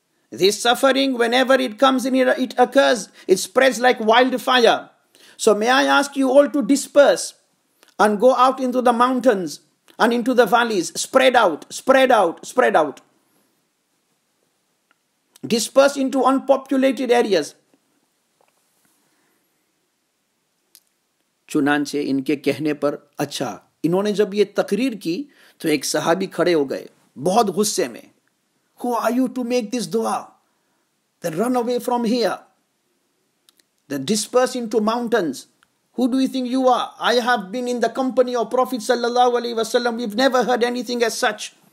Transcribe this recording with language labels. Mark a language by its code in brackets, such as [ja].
[en] This suffering, whenever it comes in, it occurs, it spreads like wildfire. So may I ask you all to disperse and go out into the mountains and into the valleys. Spread out, spread out, spread out. Disperse into unpopulated areas. [ur] چنانچہ ان کے کہنے پر, اچھا انہوں نے جب یہ تقریر کی تو ایک صحابی کھڑے ہو گئے بہت غصے میں. [en] Who are you to make this دعا? Then run away from here. Then disperse into mountains. Who do you think you are? I have been in the company of Prophet صلی اللہ علیہ وسلم. We've never heard anything as such.